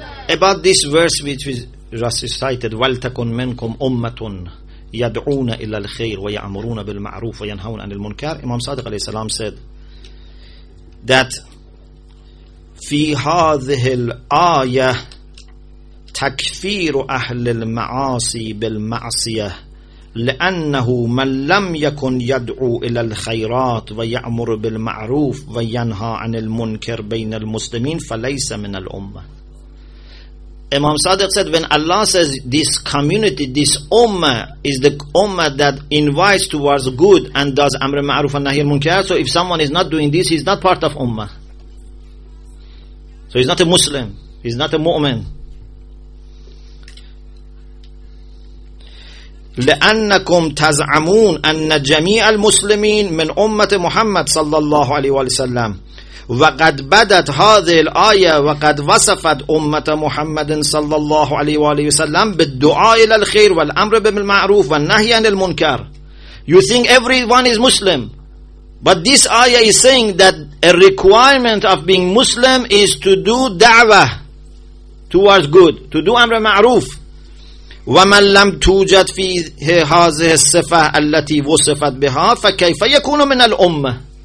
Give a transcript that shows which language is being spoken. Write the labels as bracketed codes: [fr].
[en] About this verse which was recited, [ar] وَلْتَكُنْ مِنْكُمْ أُمَّةٌ يَدْعُونَ إِلَّا الْخَيْرِ وَيَعْمُرُونَ بِالْمَعْرُوفِ وَيَنْهَوْنَ عَنِ الْمُنْكَرِ. [en] Imam Sadiq alayhi salam said, that [ar] في هذه الآية تكفير أهل المعاصي بالمعصية لأنه من لم يكن يدعو إلى الخيرات ويأمر بالمعروف وينهى عن المنكر بين المسلمين فليس من الأمة. [en] Imam Sadiq said, when Allah says this community, this ummah is the ummah that invites towards good and does amr ma'ruf and nahi munkar, so if someone is not doing this, he's not part of ummah. So he's not a Muslim, he's not a mu'min. [ar] لأنكم تزعمون أن جميع المسلمين من أمة محمد صلى الله عليه وسلم وقد بدت هذه الآية وقد وصفت أمة محمد صلى الله عليه وسلم بالدعاء إلى الخير والأمر بالمعروف والنهي عن المنكر. [en] You think everyone is Muslim, but this ayah is saying that a requirement of being Muslim is to do da'wah towards good, to do amr ma'roof. [ar] وَمَنْ لَمْ تُوجَدْ فِيهِ هَذِهِ الصِّفَةِ أَلَّتِي وُصِفَتْ بِهَا فَكَيْفَ يَكُونُ مِنَ الْأُمَّةِ.